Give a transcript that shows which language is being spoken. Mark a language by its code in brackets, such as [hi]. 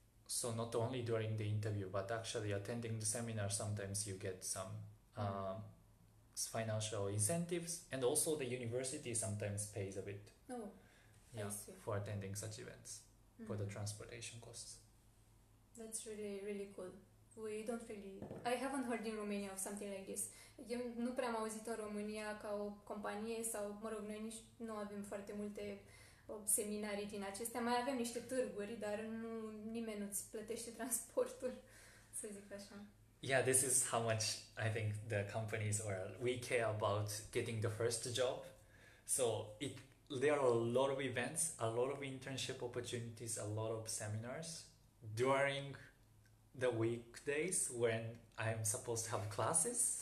[en] So not only during the interview, but actually attending the seminar, sometimes you get some financial incentives, and also the university sometimes pays a bit, Oh, I yeah, see. for attending such events for the transportation costs. That's really, really cool. We don't really. I haven't heard in Romania of something like this. [ro] Eu nu prea am auzit în România ca o companie sau, mă rog, noi nici nu avem foarte multe seminarii din acestea. Mai avem niște târguri, dar nu, nimeni nu-ți plătește transportul, să zic așa. [en] Yeah, this is how much I think the companies or we care about getting the first job. So it there are a lot of events, a lot of internship opportunities, a lot of seminars during the weekdays when I'm supposed to have classes.